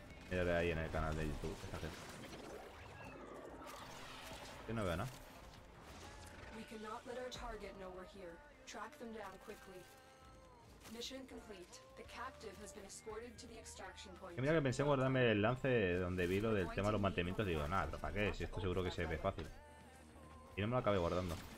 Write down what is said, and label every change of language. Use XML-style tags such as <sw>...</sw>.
<es>Mira ahí en el canal de YouTube esta gente. Que no veo, ¿no?</es> <en>We cannot let our target know we're here. Track them down quickly. Mission complete. The captive has been escorted to the extraction point.</en> <es>Mira que pensé en guardarme el lance donde vi lo del tema de los mantenimientos. Digo, nada, ¿para qué? Si esto seguro que se ve fácil. Y no me lo acabé guardando.</es>